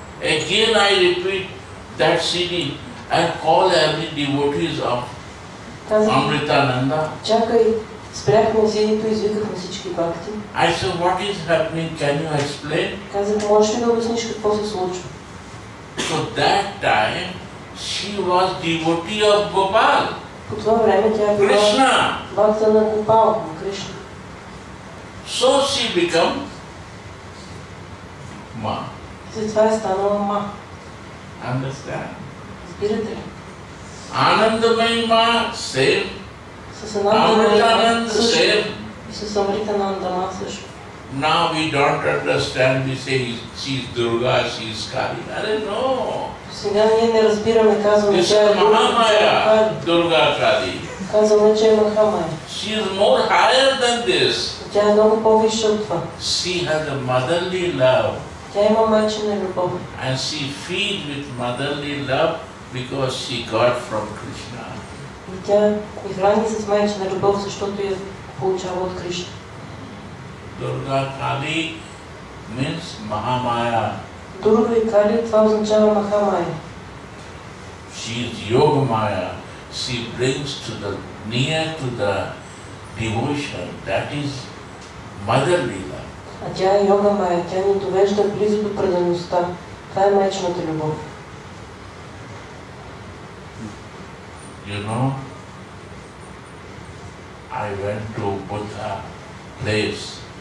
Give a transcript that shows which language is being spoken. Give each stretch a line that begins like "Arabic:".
English: Again I repeat that CD and call every devotees of Amritananda.
Bulgarian: Чакай, спряхме CD-то, извикахме всички бхакти.
English: I said, what is happening? Can you explain?
Bulgarian: Казах, можеш ли да обясниш какво се случва?
English: So that time she was devotee of Gopal.
Bulgarian: По това време тя е била бхакта на Гопал, на Кришна.
English: So she became ма.
Bulgarian: Затова е станала ма.
English: Understand?
Bulgarian: Разбирате ли?
English: Анандамай ма, сейм.
Bulgarian: С Амритананда,
English: сейм.
Bulgarian: И с Амритананда ма също.
English: Now we don't understand, we say she is Durga, she is Kali. I don't know.
Bulgarian: Сега ние не разбираме, казваме, че е Махамая, Дурга Кали. Казваме, че е Махамая.
English: She is more higher than this.
Bulgarian: Тя е много по-висша от това.
English: She has a motherly love.
Bulgarian: Тя има майчина любов.
English: And she feed with motherly love because she got from Krishna.
Bulgarian: И тя изграни с майчина любов, защото я получава от Кришна.
English: Дурга Кали means Махамая.
Bulgarian: Дурга и Кали, това означава Махамая.
English: She is Yoga Maya. She brings to the near to the devotion. That is motherly love.
Bulgarian: А тя е йога майя, тя ни довежда близо до предаността. Това е майчината любов.
English: You know, I went to Buddha place.